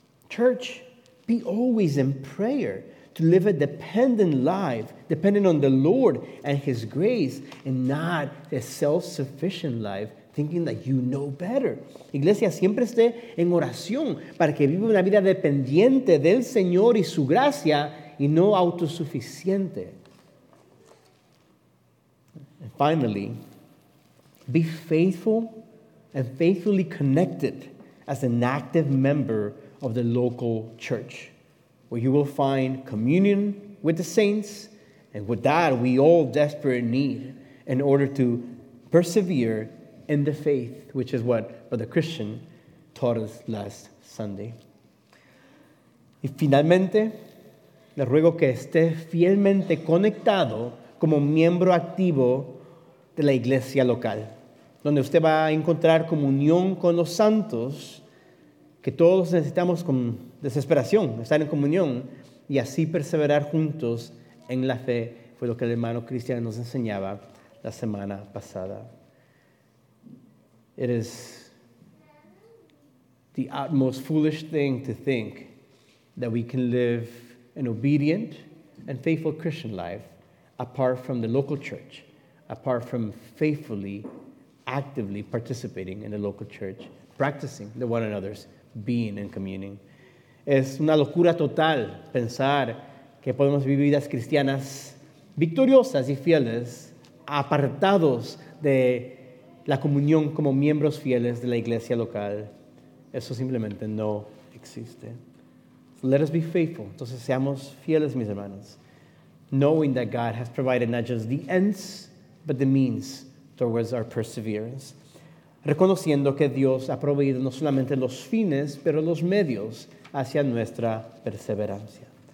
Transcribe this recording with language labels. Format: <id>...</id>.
<en>Church, be always in prayer to live a dependent life, dependent on the Lord and His grace, and not a self-sufficient life, thinking that you know better.</en> <es>Iglesia, siempre esté en oración para que viva una vida dependiente del Señor y su gracia, y no autosuficiente.</es> <en>And finally, be faithful and faithfully connected as an active member of the local church, where you will find communion with the saints, and with that we all desperately need in order to persevere in the faith, which is what Brother Christian taught us last Sunday.</en> <es>Y finalmente, le ruego que esté fielmente conectado como miembro activo de la iglesia local, donde usted va a encontrar comunión con los santos, que todos necesitamos con desesperación, estar en comunión y así perseverar juntos en la fe. Fue lo que el hermano Cristian nos enseñaba la semana pasada.</es> <en>It is the utmost foolish thing to think that we can live an obedient and faithful Christian life apart from the local church, apart from faithfully, actively participating in the local church, practicing the one another's being and communing.</en> <es>Es una locura total pensar que podemos vivir vidas cristianas victoriosas y fieles, apartados de la comunión como miembros fieles de la iglesia local. Eso simplemente no existe.</es> <en>So let us be faithful.</en> <es>Entonces, seamos fieles, mis hermanos,</es> <en>knowing that God has provided not just the ends, but the means towards our perseverance.</en> <es>Reconociendo que Dios ha proveído no solamente los fines, pero los medios hacia nuestra perseverancia.</es>